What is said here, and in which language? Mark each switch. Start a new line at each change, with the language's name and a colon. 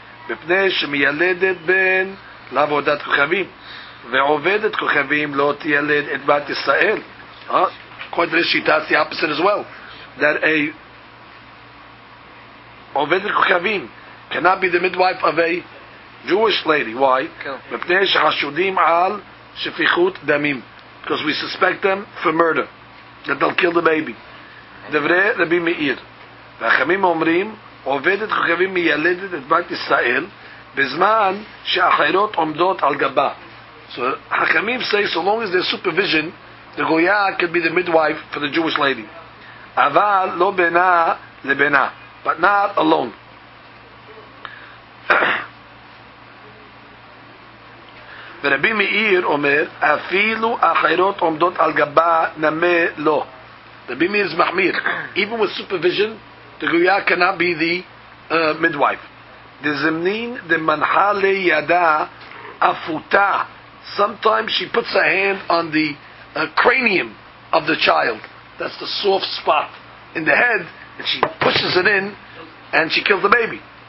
Hebrew: מפני שמיילדת בן לעבודת כוכבים ועובדת כוכבים לא תיילד את בת ישראל. כל זה שיטה,
English: the opposite as well, that a עובדת כוכבים cannot be the midwife of a Jewish lady. Why?
Hebrew: מפני שחשודים על שפיכות דמים,
English: because we suspect them for murder, that they'll kill the baby.
Hebrew: דברי רבי מאיר, והחמים אומרים עובדת כוכבים מיילדת את בת ישראל בזמן שאחרות עומדות על גבה.
English: So חכמים say, so long as there's supervision, the goya could be the midwife for the Jewish lady.
Hebrew: אבל לא בינה לבינה,
English: but not alone.
Hebrew: ורבי מאיר אומר, אפילו אחרות עומדות על גבה נמה לא. רבי מאיר is מחמיר.
English: Even with supervision, the goya cannot be the midwife.
Aramaic: The zemnin de manha le yada afuta.
English: Sometimes she puts her hand on the cranium of the child. That's the soft spot in the head, and she pushes it in, and she kills the baby.